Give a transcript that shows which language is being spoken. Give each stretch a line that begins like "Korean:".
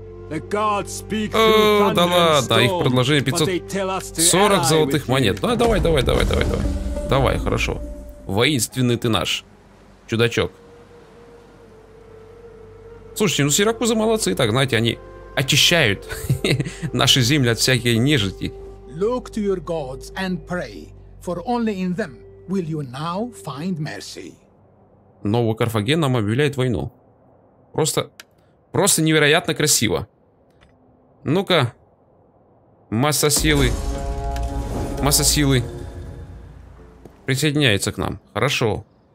Russian: О, да ладно, их предложение 540 золотых монет. Ну, а давай, давай, давай, давай, давай. Давай, хорошо. Воинственный ты наш, чудачок. Слушайте, ну сиракузы молодцы. Так, знаете, они очищают наши земли от всякой нежити.
English: Look to your gods and pray, for only in them will you now find mercy.
Russian: Новый Карфаген нам объявляет войну. Просто, просто невероятно красиво. Ну-ка, масса силы, масса силы присоединяется к нам. Хорошо.